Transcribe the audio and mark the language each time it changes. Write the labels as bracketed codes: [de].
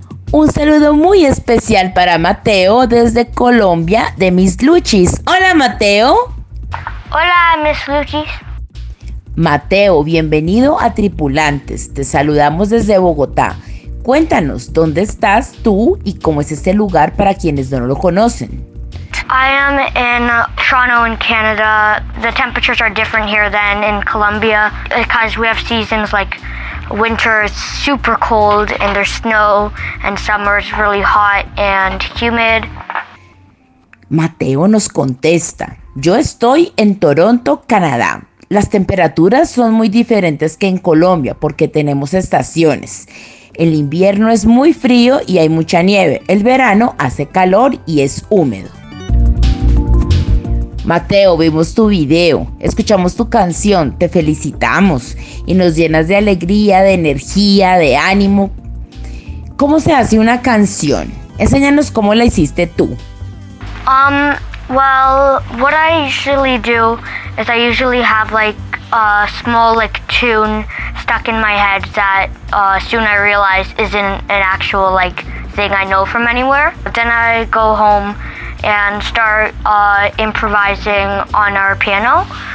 [es] Un saludo muy especial para Mateo desde Colombia, de Miss Luchis. ¡Hola, Mateo! ¡Hola, Miss Luchis! Mateo, bienvenido a Tripulantes. Te saludamos desde Bogotá. Cuéntanos, ¿dónde estás tú y cómo es este lugar para quienes no lo conocen? [en] I am in Toronto in Canada. The temperatures are different here than in Colombia because we have seasons like winter is super cold and there's snow and summer is really hot and humid. [es] Mateo nos contesta, yo estoy en Toronto, Canadá. Las temperaturas son muy diferentes que en Colombia porque tenemos estaciones. El invierno es muy frío y hay mucha nieve. El verano hace calor y es húmedo. Mateo, vimos tu video, escuchamos tu canción, te felicitamos y nos llenas de alegría, de energía, de ánimo. ¿Cómo se hace una canción? Enséñanos cómo la hiciste tú. [en] Well, what I usually do is I usually have like a small like tune stuck in my head that soon I realize isn't an actual like thing I know from anywhere. But then I go home and start improvising on our piano.